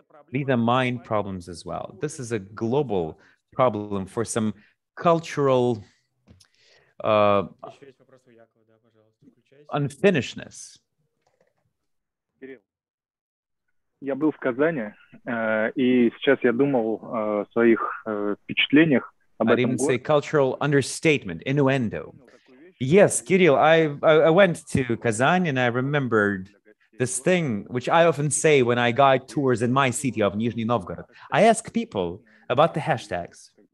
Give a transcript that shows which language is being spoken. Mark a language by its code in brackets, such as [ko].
[en] These are mind problems as well. This is a global problem for some cultural unfinishedness. [ru] Я был в Казани, и сейчас я думал о своих впечатлениях об этом [en] городе. Say cultural understatement, innuendo. Yes, Kirill, I went to Kazan and I remembered this thing, which I often say when I guide tours in my city of Nizhny Novgorod. I ask people about the hashtags.